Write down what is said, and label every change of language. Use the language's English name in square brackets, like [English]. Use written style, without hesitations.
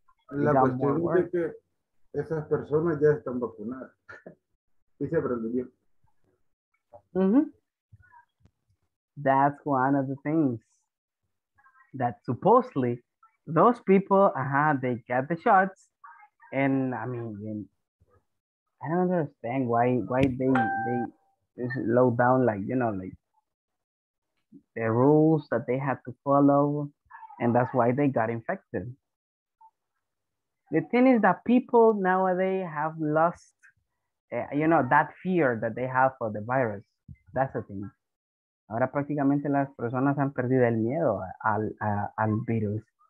[Spanish] la cuestión es que esas personas ya están vacunadas. Y se aprendió. [English] That's one of the things that supposedly those people, they get the shots, and I don't understand why they just low down, like the rules that they had to follow, and that's why they got infected. The thing is that people nowadays have lost, that fear that they have for the virus. That's the thing. [Spanish] Ahora prácticamente las personas han perdido el miedo al virus.